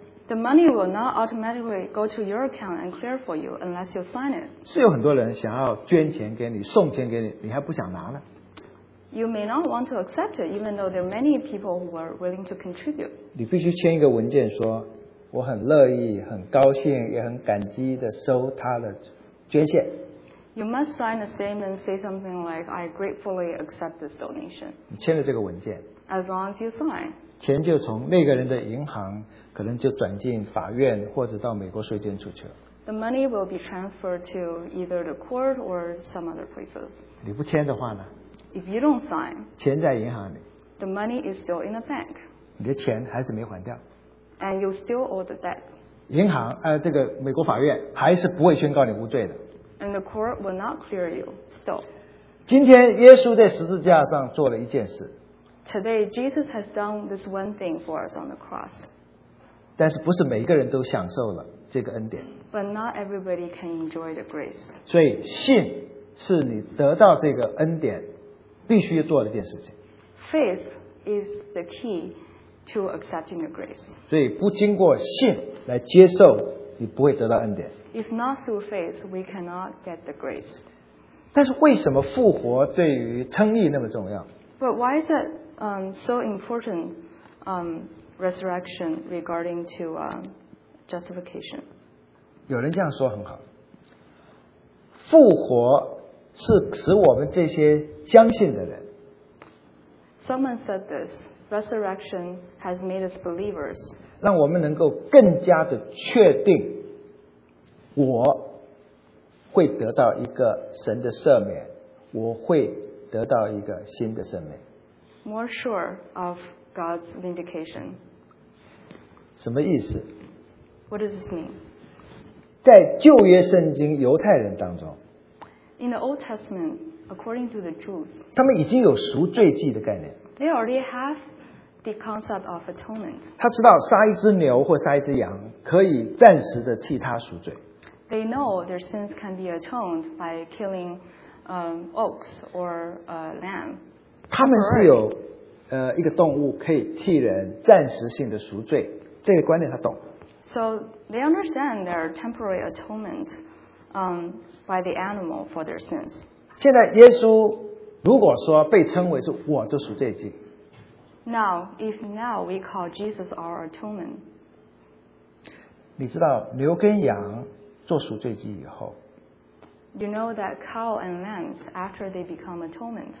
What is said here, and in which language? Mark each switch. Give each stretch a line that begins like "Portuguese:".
English: The money will not automatically go to your account and clear for you unless you sign it.
Chinese: 是有很多人想要捐钱给你，送钱给你，你还不想拿呢。
English: You may not want to accept it, even though there are many people who are willing to contribute.
Chinese: 你必须签一个文件说，我很乐意、很高兴、也很感激的收他的捐献。
English: You must sign a statement, say something like, "I gratefully accept this donation."
Chinese: 你签了这个文件。
English: As long as you sign.
Chinese: 钱就从那个人的银行可能就转进法院或者到美国税捐处去了。
English: The money will be transferred to either the court or some other places.
Chinese: 你不签的话呢？
English: If you don't sign,
Chinese: 钱在银行里。
English: The money is still in the bank.
Chinese: 你的钱还是没还掉。
English: And you still owe the debt.
Chinese: 银行这个美国法院还是不会宣告你无罪的。
English: And and the cord will not clear you. Stop.
Chinese: 今天耶稣在十字架上做了一件事。
English: Today, Jesus has done this one thing for us on the cross.
Chinese: 但是不是每个人都享受了这个恩典。
English: But not everybody can enjoy the grace.
Chinese: 所以信是你得到这个恩典必须做的一件事情。
English: Faith is the key to accepting the grace.
Chinese: 所以不经过信来接受你不会得到恩典。
English: If not through faith, we cannot get the grace.
Chinese: 但是为什么复活对于称义那么重要？
English: But why is it so important resurrection regarding to justification?
Chinese: 有人这样说很好，复活是使我们这些相信的人。
English: Someone said this. Resurrection has made us believers.
Chinese: 让我们能够更加的确定我会得到一个神的赦免，我会得到一个新的赦免。
English: More sure of God's vindication.
Chinese: 什么意思？
English: What does this mean?
Chinese: 在旧约圣经犹太人当中，
English: In the Old Testament, according to the Jews,
Chinese: 他们已经有赎罪祭的概念。
English: They already have the concept of atonement.
Chinese: 他知道杀一只牛或杀一只羊可以暂时的替他赎罪。
English: They know their sins can be atoned by killing ox or a lamb.
Chinese: 他们是有一个动物可以替人暂时性的赎罪，这个观念他懂。
English: So they understand their temporary atonement by the animal for their sins.
Chinese: 现在耶稣如果说被称为是我的赎罪祭。
English: Now, if now we call Jesus our atonement.
Chinese: 你知道牛跟羊做赎罪祭以后，
English: you know that cow and lambs after they become atonement,